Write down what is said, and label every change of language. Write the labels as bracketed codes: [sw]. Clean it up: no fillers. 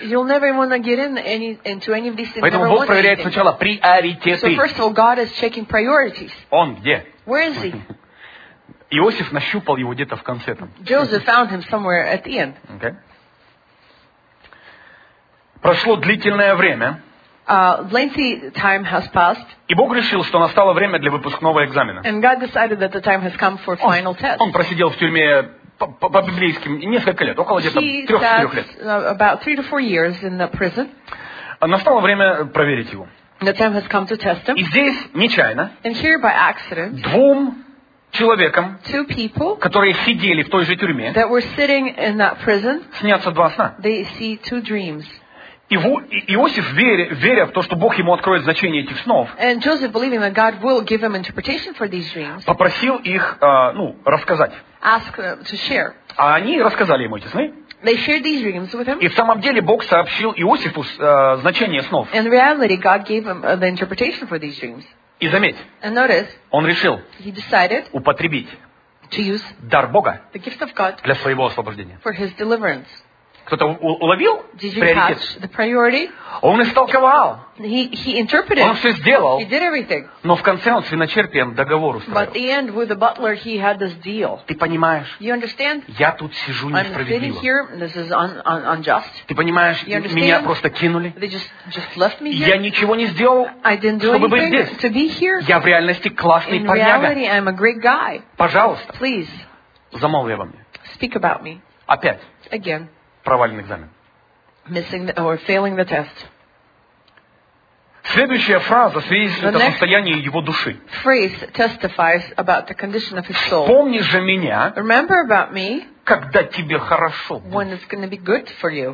[ru] Поэтому Бог проверяет сначала приоритеты. Он где? Иосиф нащупал его где-то в конце там. [en] Joseph found him somewhere at the end. Okay. [ru] Прошло длительное время. [en] Lengthy time has passed. [ru] И Бог решил, что настало время для выпускного экзамена. [en] And God decided that the time has come for final test. [ru] Он просидел в тюрьме по библейским несколько лет, около где-то 3-4 лет. [en] About 3-4 years in the prison. [ru] Настало время проверить его. [en] The time has come to test him. [ru] И здесь нечаянно. [en] And here by accident. [ru] Двум человеком, [en] two people, [ru] которые сидели в той же тюрьме, [en] that were sitting in that prison, [ru] снятся два сна. [en] They see two dreams. [ru] Иосиф, веря в то, что Бог ему откроет значение этих снов, [en] and Joseph, believing that God will give him interpretation for these dreams, [ru] попросил их рассказать. [en] Ask them to share. [ru] А они рассказали ему эти сны. [en] They shared these dreams with him. [ru] И в самом деле Бог сообщил Иосифу значение снов. [en] In reality, God gave him the interpretation for these dreams. [ru] И заметь, [en] notice, [ru] он решил [en] he decided [ru] употребить [en] to use [ru] дар Бога [en] the gift of God [ru] для своего освобождения. [en] For his deliverance. [ru] Кто-то уловил приоритет? Он истолковал. [en] He interpreted. [ru] Он все сделал. [en] He did everything. [ru] Но в конце он с виночерпием договор устроил. [en] But the end with the butler, he had this deal. [ru] Ты понимаешь? [en] You understand? [ru] Я тут сижу несправедливо. [en] I'm sitting here. This is unjust. [ru] Ты понимаешь? [en] You understand? [ru] Меня просто кинули. [en] They just left me here. [ru] Я ничего не сделал, [en] I didn't do [ru] чтобы [en] anything [ru] быть здесь. [en] To be here. [ru] Я в реальности классный парняга. [en] In reality, I'm a great guy. [ru] Пожалуйста. [en] Please. [ru] Замолви обо мне. [en] Speak about me. [ru] Опять. [en] Again. [ru] Провален экзамен. [en] Missing the, or failing the test. [ru] Следующая фраза свидетельствует о состоянии его души. [en] Phrase testifies about the condition of his soul. [ru] Помни же меня. [en] Remember about me. [ru] Когда тебе хорошо. [en] When it's going to be good for you.